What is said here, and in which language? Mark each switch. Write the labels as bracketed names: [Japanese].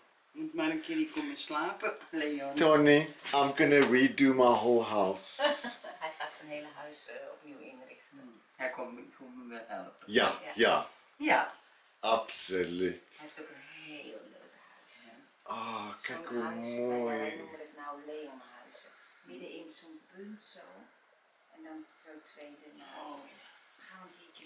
[Dutch] Moet maar een keer komen slapen, Leon. [English] Tony, I'm gonna redo my whole house. [Dutch] Hij gaat zijn hele huis opnieuw inrichten. Hij komt me wel helpen. Ja, ja. Ja. Absoluut. Hij heeft ook een heel leuk huis. Ah, oh, kijk hoe mooi. Wij noemen het nou Leonhuizen. Midden in zo'n punt zo. En dan zo tweede naast.